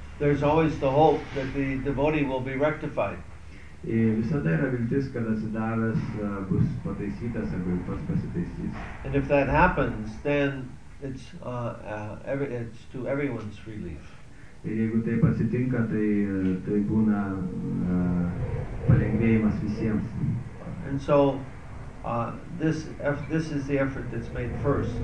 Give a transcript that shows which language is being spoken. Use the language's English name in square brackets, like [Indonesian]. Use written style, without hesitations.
[English] There's always the hope that the devotee will be rectified. [Lithuanian] visada yra viltis, kad atsidavęs bus pataisytas arba pats pasitaisys. [English] And if that happens, then it's to everyone's relief. [Lithuanian] Ir jeigu taip atsitinka, tai būna palengvėjimas visiems. [English] And so this is the effort that's made first.